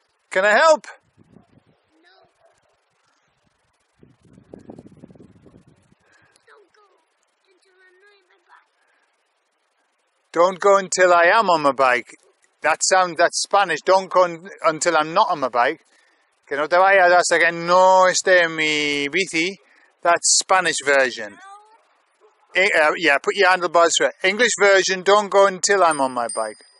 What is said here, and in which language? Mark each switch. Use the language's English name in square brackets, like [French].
[English] Can I help? Don't go until I am on my bike. That's Spanish. Don't go until I'm not on my bike. [Spanish] Que no te vayas hasta que no esté en mi bici. [English] That's Spanish version. Yeah, put your handlebars through. English version, don't go until I'm on my bike.